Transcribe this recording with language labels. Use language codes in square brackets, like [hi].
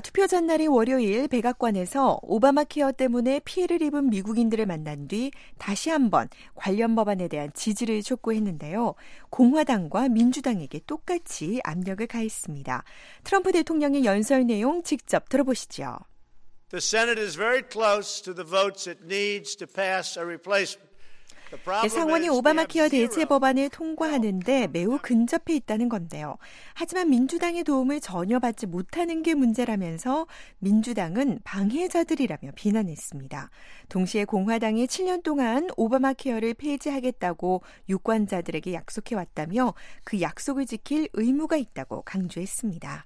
[ko] 투표 전날인 월요일 백악관에서 오바마 케어 때문에 피해를 입은 미국인들을 만난 뒤 다시 한번 관련 법안에 대한 지지를 촉구했는데요. 공화당과 민주당에게 똑같이 압력을 가했습니다. 트럼프 대통령의 연설 내용 직접 들어보시죠. [en] The Senate is very close to the votes it needs to pass a replacement. [ko] 상원이 오바마 케어 대체 법안을 통과하는데 매우 근접해 있다는 건데요. 하지만 민주당의 도움을 전혀 받지 못하는 게 문제라면서 민주당은 방해자들이라며 비난했습니다. 동시에 공화당이 7년 동안 오바마 케어를 폐지하겠다고 유권자들에게 약속해왔다며 그 약속을 지킬 의무가 있다고 강조했습니다.